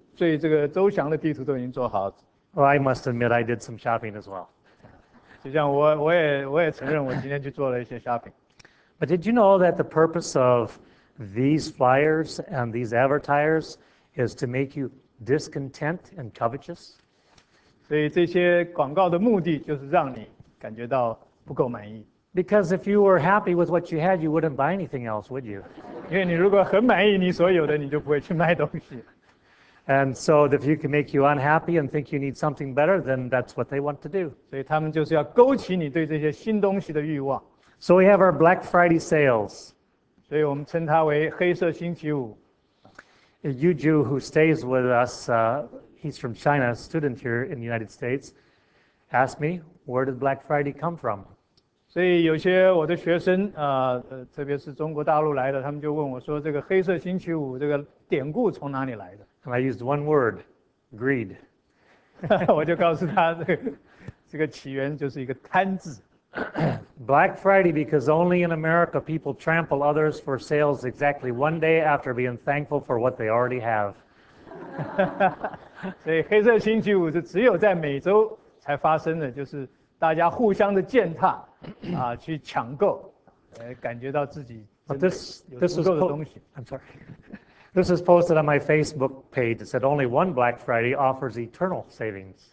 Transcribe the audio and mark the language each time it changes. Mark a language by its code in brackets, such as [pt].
[zh] 甚至有人把这个地图，最这个周详的地图都已经做好。 [en] Well, I must admit I did some shopping as well. [zh] 就像我也承认我今天去做了一些shopping。 [en] But did you know that the purpose of these flyers and these advertisers is to make you discontent and covetous? [zh] 所以这些广告的目的就是让你感觉到 [en] Because if you were happy with what you had, you wouldn't buy anything else, would you? [zh] 因为你如果很满意你所有的，你就不会去卖东西。 [en] And so if you can make you unhappy and think you need something better, then that's what they want to do. [zh] 所以他们就是要勾起你对这些新东西的欲望。 [en] So we have our Black Friday sales. [zh] 所以我们称它为黑色星期五。 [en] Yuju, who stays with us, he's from China, a student here in the United States, asked me, where did Black Friday come from? [zh] 所以有些我的学生、特别是中国大陆来的，他们就问我说，这个黑色星期五这个典故从哪里来的？ [en] And I used one word, greed. [zh] 我就告诉他、这个起源就是一个贪字。 [en] Black Friday, because only in America people trample others for sales exactly one day after being thankful for what they already have. [zh] 所以黑色星期五是只有在美洲才发生的，就是大家互相的践踏、去抢购、感觉到自己真的有足够的东西。 [en] I'm sorry. This is posted on my Facebook page. It said only one Black Friday offers eternal savings.